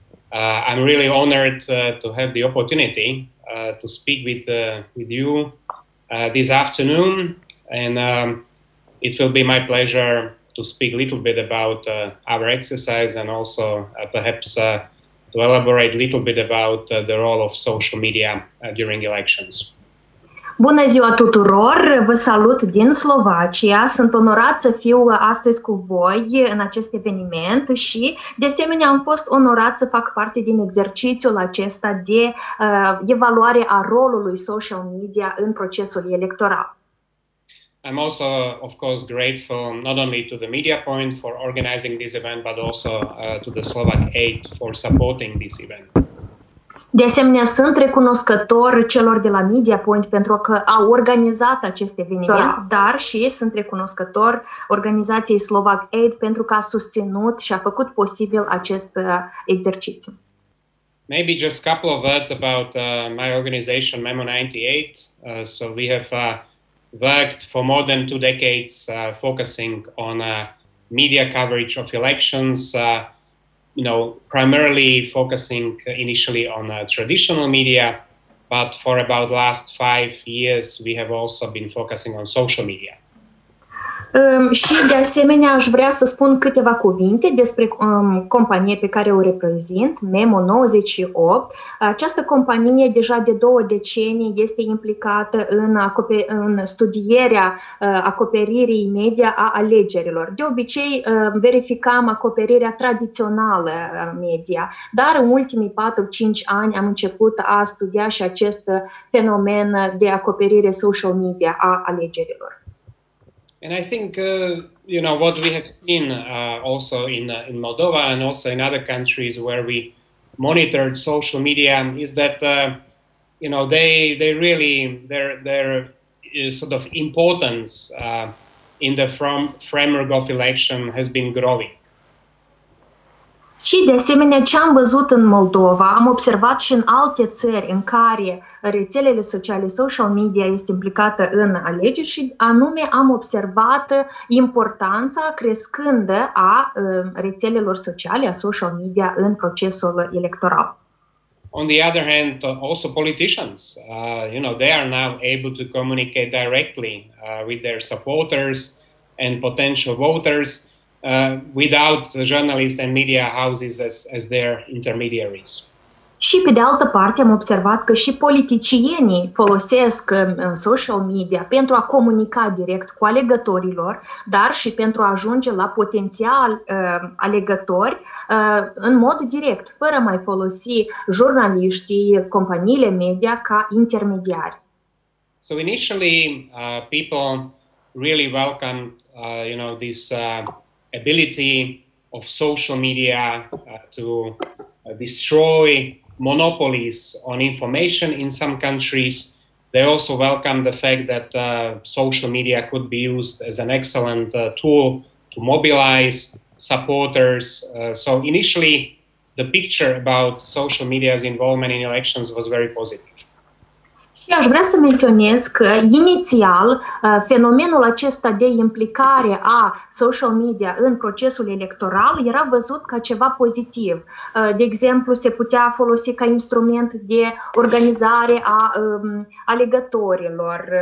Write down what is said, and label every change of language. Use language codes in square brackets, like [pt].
[en] I'm really honored to have the opportunity to speak with you this afternoon, and it will be my pleasure to speak a little bit about our exercise and also perhaps to elaborate a little bit about the role of social media during elections. [ro] Bună ziua tuturor! Vă salut din Slovacia! Sunt onorat să fiu astăzi cu voi în acest eveniment și, de asemenea, am fost onorat să fac parte din exercițiul acesta de evaluare a rolului social media în procesul electoral. [en] I'm also, of course, grateful not only to the MediaPoint for organizing this event, but also to the Slovak Aid for supporting this event. [ro] De asemenea, sunt recunoscător celor de la MediaPoint pentru că au organizat acest eveniment, dar și sunt recunoscător organizației Slovak Aid pentru că a susținut și a făcut posibil acest exercițiu. [en] Maybe just a couple of words about my organization, Memo 98. So we have worked for more than two decades focusing on media coverage of elections, you know, primarily focusing initially on traditional media, but for about last 5 years, we have also been focusing on social media. [ro] Și de asemenea aș vrea să spun câteva cuvinte despre companie pe care o reprezint, Memo 98. Această companie deja de două decenii este implicată în studierea acoperirii media a alegerilor. De obicei verificam acoperirea tradițională media, dar în ultimii 4-5 ani am început a studia și acest fenomen de acoperire social media a alegerilor. [en] And I think you know what we have seen also in Moldova and also in other countries where we monitored social media is that you know they really their sort of importance in the framework of election has been growing. [ro] Și de asemenea ce am văzut în Moldova, am observat și în alte țări în care rețelele sociale, social media este implicată în alegeri și anume am observat importanța crescândă a rețelelor sociale, a social media în procesul electoral. [en] On the other hand, also politicians, you know, they are now able to communicate directly with their supporters and potential voters. Without journalists and media houses as their intermediaries. [ro] Și pe de altă parte am observat că și politicienii folosesc social media pentru a comunica direct cu alegătorilor, dar și pentru a ajunge la potențial alegători în mod direct, fără mai folosi jurnaliștii, companiile media ca intermediari. [en] So initially people really welcome you know this ability of social media to destroy monopolies on information in some countries. They also welcome the fact that social media could be used as an excellent tool to mobilize supporters. So initially, the picture about social media's involvement in elections was very positive. [ro] Și aș vrea să menționez că inițial fenomenul acesta de implicare a social media în procesul electoral era văzut ca ceva pozitiv. De exemplu, se putea folosi ca instrument de organizare a alegătorilor.